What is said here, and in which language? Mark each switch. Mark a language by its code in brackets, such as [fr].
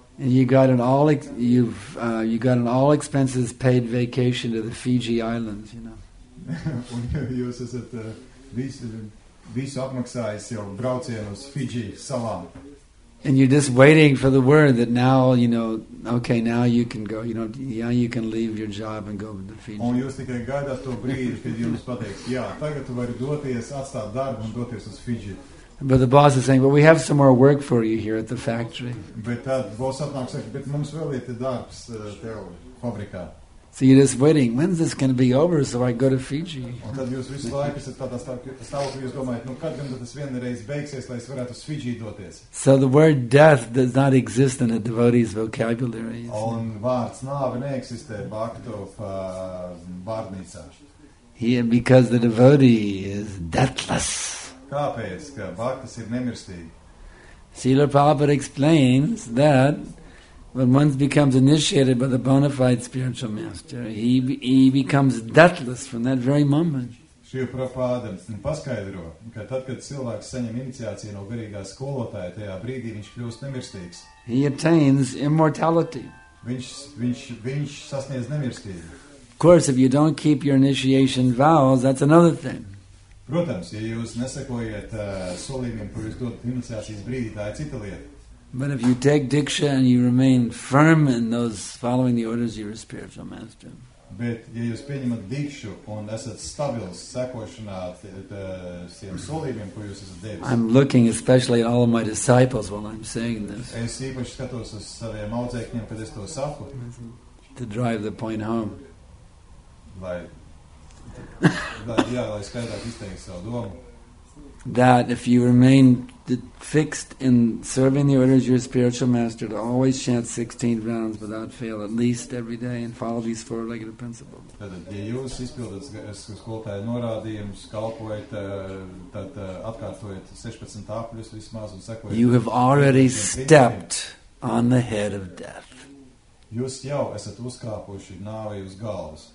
[en] And you got an all expenses paid vacation to the Fiji Islands, you know. [lv] Un jūs esat visu apmaksājis jau braucienu uz Fiji salām. [en] And you're just waiting for the word that now, you know, okay, now you can go, you know, yeah, you can leave your job and go to the Fiji. [lv] Un jūs tikai gaidāt to brīdi, kad jums pateiks, jā, tagad tu vari doties, atstāt darbu un doties uz Fiji. [en] But the boss is saying, well, we have some more work for you here at the factory. [lv] Bet tad boss atnāk saka, bet mums vēl ir darbs tev fabrikā. [en] So you're just waiting, when's this going to be over so I go to Fiji? [lv] Un tad jūs visu laiku esat tādā stāvoklī, jūs domājat, nu kad gan tas vienreiz beigsies, lai es varētu uz Fiji doties? [en] So the word death does not exist in a devotee's vocabulary. [lv] Un vārds nāve neeksistē bhakto vārdnīcā. [en] Here, because the devotee is deathless. [lv] Kāpēc? Ka bhaktas ir nemirstīgi. [en] Srila Prabhupada explains that when one becomes initiated by the bona fide spiritual master, he becomes deathless from that very moment. [lv] Šī Prabhupāda paskaidro, ka tad, kad cilvēks saņem iniciāciju no garīgā skolotāja, tajā brīdī viņš kļūst nemirstīgs. [en] He attains immortality. [lv] Viņš sasniedz nemirstību. [en] Of course, if you don't keep your initiation vows, that's another thing. [lv] Protams, ja jūs nesekojat solījumiem, kur jūs dodat iniciācijas brīdī, tā ir cita lieta. [en] But if you take diksha and you remain firm in those following the orders of your spiritual master. [lv] Bet ja jūs pieņemat dikšu un esat stabils sekošanā tiem solījumiem, ko jūs esat devis. [en] I'm looking especially at all of my disciples while I'm saying this. [lv] Es īpaši skatos uz saviem audzēkņiem, kad es to saku. [en] To drive the point home. [lv] Lai skaidrāk izteikt savu domu. [en] That if you remain fixed in serving the orders of your spiritual master to always chant 16 rounds without fail at least every day and follow these four-legged principles. [lv] Tad, ja jūs izpildat skolotāju norādījumus, kalpojat, tad atkārtojat 16 āpļus vismaz un sekojat. [en] You have already stepped on the head of death. [lv] Jūs jau esat uzkāpuši nāvei uz galvas.